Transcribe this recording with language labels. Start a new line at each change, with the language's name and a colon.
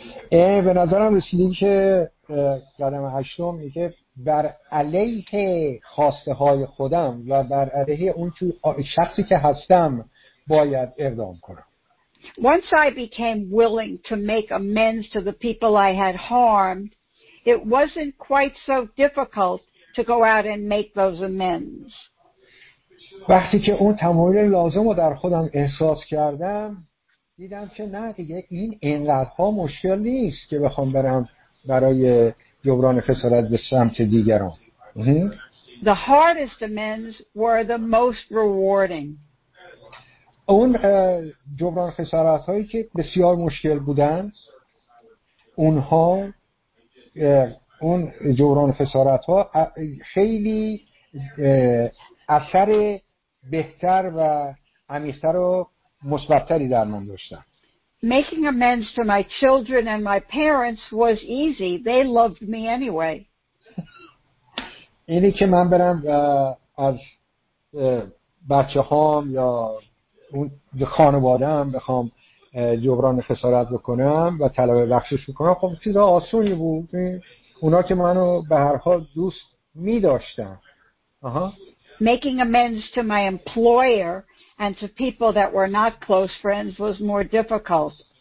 Persian: به نظرم رسیدی که قدم هشتم میگه بر علیه خواسته های خودم و بر علیه اون شخصی که هستم باید اقدام کنم.
English: Once I became willing to make amends to the people I had harmed, it wasn't quite so difficult to go out and make those amends.
Persian: وقتی که اون تمایل لازم رو در خودم احساس کردم دیدم که نه دیگه این اینقدرها مشکل نیست که بخوام برم برای جبران خسارت به سمت دیگران.
English: The hardest amends were the most rewarding.
Persian: اون جبران خسارت هایی که بسیار مشکل بودن اونها اون جبران خسارت ها خیلی اثر بهتر و عمیق‌تر و مثبت‌تری در من داشتن.
English: Making amends to my children and my parents was easy. They loved me anyway.
Persian: اینی که من برم و از بچه هام یا اون خانواده هم بخوام جبران خسارت بکنم و طلب بخشش بکنم خب چیز آسونی بود. اونا که منو به هر حال دوست می داشتن.
English: Making amends to my employer and to people that were not close friends was more difficult.